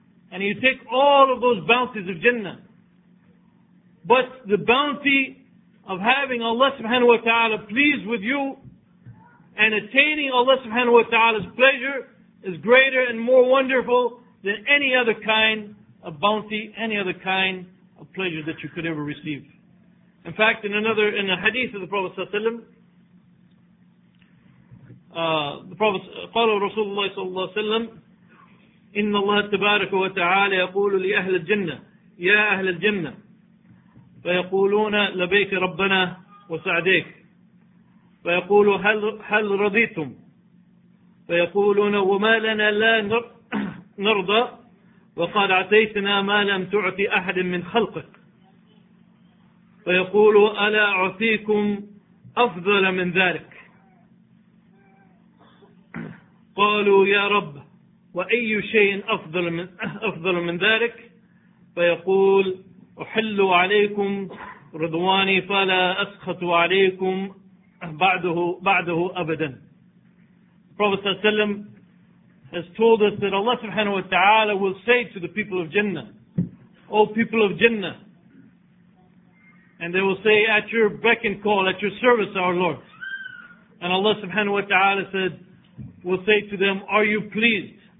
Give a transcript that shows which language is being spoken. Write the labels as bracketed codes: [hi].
[en] And you take all of those bounties of Jannah. But the bounty of having Allah subhanahu wa ta'ala pleased with you and attaining Allah subhanahu wa ta'ala's pleasure is greater and more wonderful than any other kind of bounty, any other kind a pleasure that you could ever receive. In fact, in a hadith of the Prophet [ar] قال رسول الله صلى الله عليه وسلم إن الله تبارك وتعالى يقول لأهل الجنة يا أهل الجنة فيقولون لبيك ربنا وسعديك فيقول هل رضيتم فيقولون وما لنا لا نرضى وقال عتيتنا ما لم تعطي أحد من خلقك فيقول ألا أعطيكم أفضل من ذلك قالوا يا رب وأي شيء أفضل من ذلك فيقول أحل عليكم رضواني فلا أسخط عليكم بعده أبدا. [en] Prophet صلى الله عليه وسلم has told us that Allah subhanahu wa ta'ala will say to the people of Jannah, O people of Jannah, and they will say at your beck and call, at your service, our Lord, And Allah subhanahu wa ta'ala said, will say to them, are you pleased?